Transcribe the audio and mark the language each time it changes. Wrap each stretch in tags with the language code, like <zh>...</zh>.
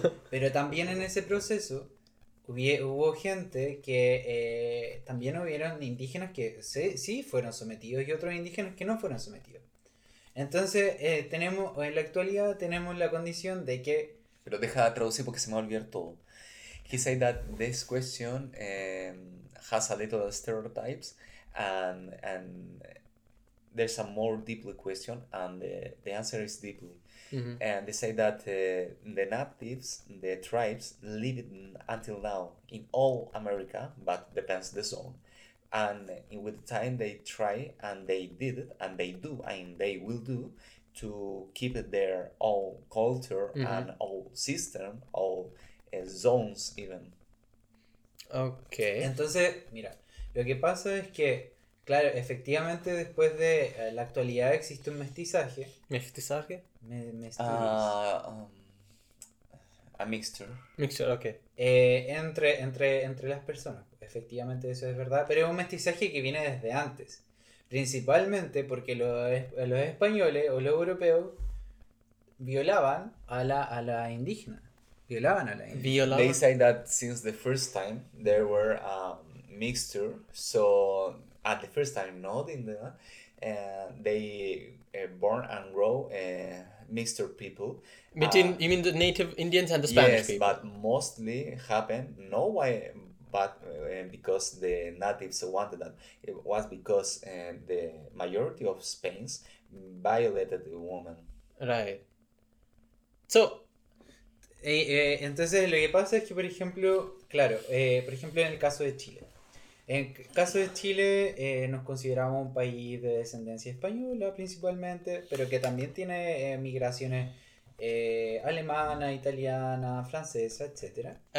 <es>Pero también en ese proceso hubo gente que también hubieron indígenas que sí fueron sometidos y otros indígenas que no fueron sometidos. Entonces, tenemos, en la actualidad tenemos la condición de que. Pero deja de traducir porque se me va a olvidar todo.</es> <en>He said that this question has a little stereotypes and there's a more deeply question and the answer is deeply. And they say that the natives, the tribes, lived until now in all America, but depends the zone. And with time they try and they did and they do and they will do to keep their own culture and old system, old zones even.</en> <es>Entonces, mira, lo que pasa es que, claro, efectivamente después de la actualidad existe un mestizaje. ¿Mestizaje? Mestiz.</es> <en>A mixture. Mixture,</en> <es>Entre las personas. Efectivamente, eso es verdad. Pero es un mestizaje que viene desde antes. Principalmente porque los españoles o los europeos violaban a la indígena. Violaban a la indígena.</es> <en>They say that since the first time there were mixture, so at the first time not in the they born and grow mixture people. Between you mean the native Indians and the Spanish Yes, but people? mostly happened, no why, but because the natives wanted that. It was because the majority of Spains violated the woman. Right. So.</en> <es>Entonces lo que pasa es que, por ejemplo, claro, por ejemplo en el caso de Chile. En el caso de Chile nos consideramos un país de descendencia española principalmente, pero que también tiene migraciones alemana, italiana, francesa, etc.</es>